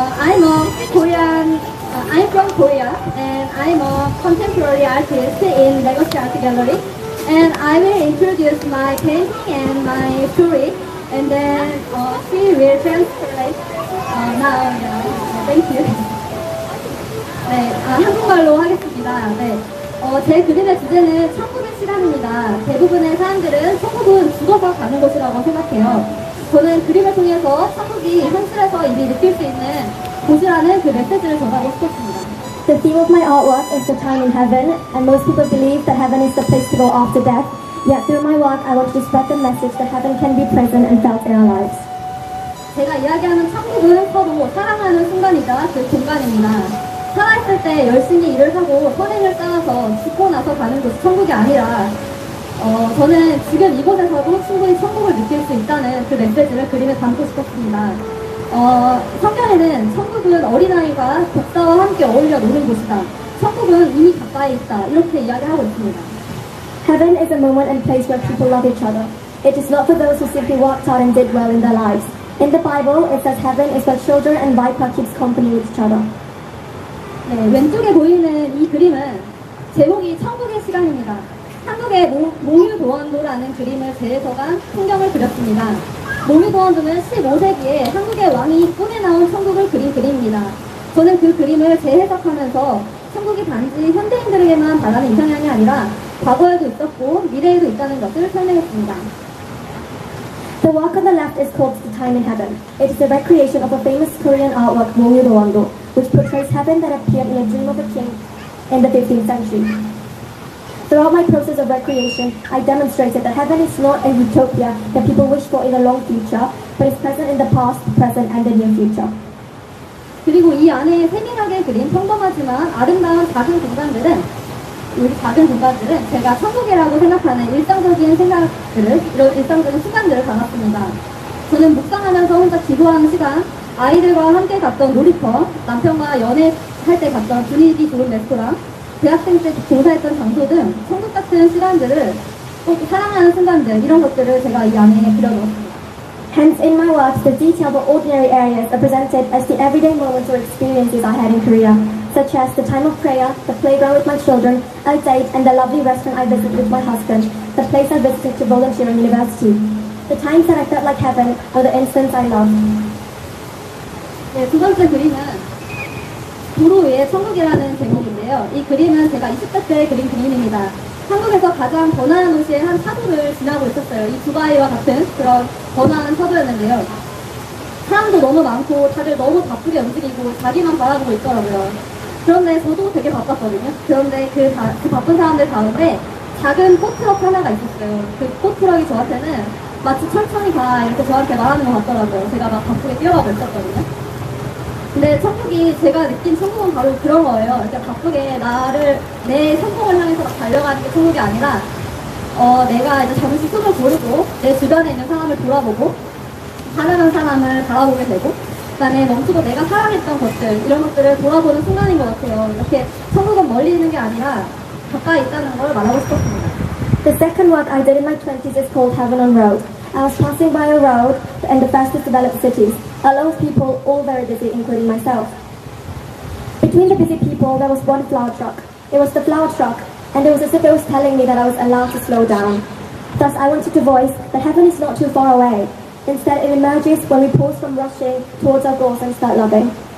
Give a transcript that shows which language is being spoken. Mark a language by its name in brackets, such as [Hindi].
[English] I'm a Korean. I'm from Korea, and I'm a contemporary artist in Legacy Art Gallery. And I will introduce my painting and my story, and then she will translate now. Thank you. [Korean] 네, 한국말로 하겠습니다. 네. 제 그림의 주제는 천국의 시간입니다. 대부분의 사람들은 천국은 죽어서 가는 곳이라고 생각해요. 저는 그림을 통해서 천국이 현실에서 이미 느낄 수 있는 곳이라는 그 메시지를 전하고 싶었습니다. [English] The theme of my artwork is the time in heaven, and most people believe that heaven is the place to go after death. Yet through my work, I want to spread the message that heaven can be present and felt in our lives. [Korean] 제가 이야기하는 천국은 서로 사랑하는 순간이자 그 중간입니다. 살아있을 때 열심히 일을 하고 선행을 쌓아서 죽고 나서 가는 곳이 천국이 아니라 저는 지금 이곳에서도 충분히 천국을 느낄 수 있다는 그 메시지를 그림에 담고 싶었습니다. 성경에는 천국은 어린아이가 독사와 함께 어울려 노는 곳이다. 천국은 이미 가까이 있다. 이렇게 이야기하고 있습니다. [English] Heaven is a moment and place where people love each other. It is not for those who simply walked out and did well in their lives. In the Bible, it says heaven is where children and viper keeps company with each other. [Korean] 네, 왼쪽에 보이는 이 그림은 제목이 천국의 시간입니다. 한국의 모유도원도라는 그림을 재해석한 풍경을 그렸습니다. 모유도원도는 15세기에 한국의 왕이 꿈에 나온 천국을 그린 그림입니다. 저는 그 그림을 재해석하면서 천국이 단지 현대인들에게만 바라는 이상향이 아니라 과거에도 있었고 미래에도 있다는 것을 설명했습니다. [English] The work on the left is called The Time in Heaven. It is a recreation of a famous Korean artwork, 모유도원도, which portrays heaven that appeared in a dream of a king in the 15th century. Throughout my process of recreation, I demonstrated that heaven is not a utopia that people wish for in the long future, but is present in the past, the present, and the near future. [Korean] 그리고 이 안에 세밀하게 그린 평범하지만 아름다운 작은 공간들은 우리 작은 공간들은 제가 천국이라고 생각하는 일상적인 생각들을 이런 일상적인 순간들을 담았습니다. 저는 묵상하면서 혼자 기도하는 시간, 아이들과 함께 갔던 놀이터, 남편과 연애할 때 갔던 분위기 좋은 레스토랑, 대학생 때 봉사했던 장소 등 천국 같은 시간들을 꼭 사랑하는 순간들 이런 것들을 제가 이 안에 그려놓습니다. Hence in my works, the detailed but ordinary areas are presented as the everyday moments or experiences I had in Korea, such as the time of prayer, the playground with my children, a date, and the lovely restaurant I visited with my husband, the place I visited to volunteer in university. The times that I felt like heaven are the instants I loved. 네, 두 번째 그림은 도로 위에 천국이라는 제목인데요. 이 그림은 제가 20대 때 그린 그림입니다. 한국에서 가장 번화한 도시의 한 사도를 지나고 있었어요. 이 두바이와 같은 그런 번화한 사도였는데요. 사람도 너무 많고 다들 너무 바쁘게 움직이고 자기만 바라보고 있더라고요. 그런데 저도 되게 바빴거든요. 그런데 그 바쁜 사람들 가운데 작은 꽃트럭 하나가 있었어요. 그 꽃트럭이 저한테는 마치 천천히 가 이렇게 저한테 말하는 것 같더라고요. 제가 막 바쁘게 뛰어가고 있었거든요. 근데 천국이 제가 느낀 천국은 바로 그런 거예요. 이렇게 바쁘게 나를 내 성공을 향해서 막 달려가는 게 천국이 아니라 내가 이제 잠시 숨을 고르고 내 주변에 있는 사람을 돌아보고 사랑한 사람을 바라보게 되고 그다음에 멈추고 내가 사랑했던 것들 이런 것들을 돌아보는 순간인 것 같아요. 이렇게 천국은 멀리 있는 게 아니라 가까이 있다는 걸 말하고 싶었습니다. [English] The second work I did in my 20s is called Heaven on Road. I was passing by a road and the fastest developed cities. A lot of people, all very busy, including myself. Between the busy people, there was one flower truck. It was the flower truck, and it was as if it was telling me that I was allowed to slow down. Thus, I wanted to voice that heaven is not too far away. Instead, it emerges when we pause from rushing towards our goals and start loving.